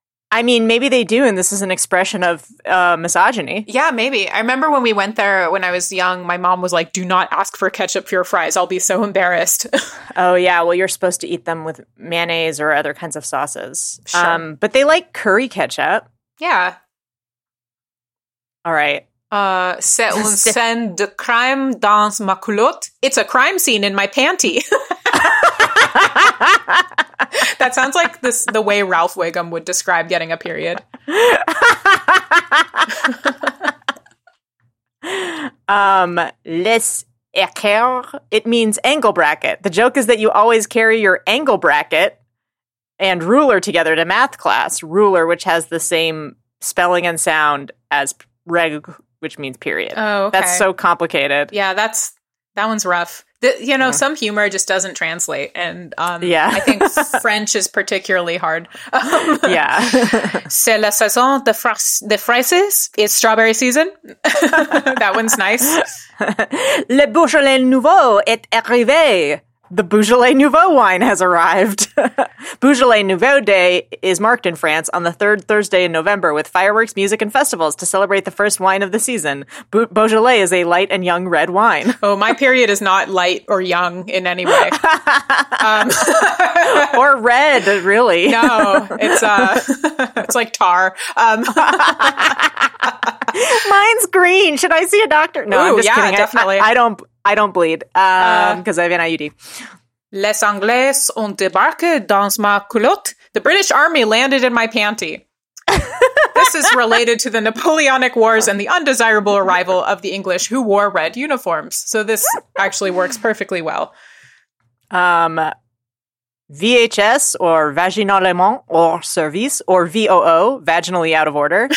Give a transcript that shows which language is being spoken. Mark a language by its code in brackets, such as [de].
[en] I mean, maybe they do, and this is an expression of misogyny. Yeah, maybe. I remember when we went there when I was young, my mom was like, do not ask for ketchup for your fries. I'll be so embarrassed. Oh, yeah. Well, you're supposed to eat them with mayonnaise or other kinds of sauces. Sure. But they like curry ketchup. Yeah. All right. [fr] C'est un scène de crime dans ma culotte. [en] It's a crime scene in my panty. That sounds like this, the way Ralph Wiggum would describe getting a period. [fr] Les écarts. [en] It means angle bracket. The joke is that you always carry your angle bracket and ruler together to math class. Ruler, which has the same spelling and sound as reg, which means period. Oh, okay. That's so complicated. Yeah, that's that one's rough. You know, yeah. Some humor just doesn't translate. And yeah. I think French is particularly hard. Yeah. [fr] C'est la saison de fraises. [en] It's strawberry season. That one's nice. [fr] Le Beaujolais Nouveau est arrivé. [en] The Beaujolais Nouveau wine has arrived. Beaujolais Nouveau Day is marked in France on the third Thursday in November with fireworks, music, and festivals to celebrate the first wine of the season. Beaujolais is a light and young red wine. Oh, my period is not light or young in any way. or red, really. No, it's like tar. Mine's green. Should I see a doctor? No, ooh, I'm just yeah, kidding. Definitely. I don't bleed because I have an IUD. [fr] Les Anglais ont débarqué dans ma culotte. [en] The British Army landed in my panty. This is related to the Napoleonic Wars and the undesirable arrival of the English who wore red uniforms. So this actually works perfectly well. VHS or vaginalement or service or VOO, vaginally out of order.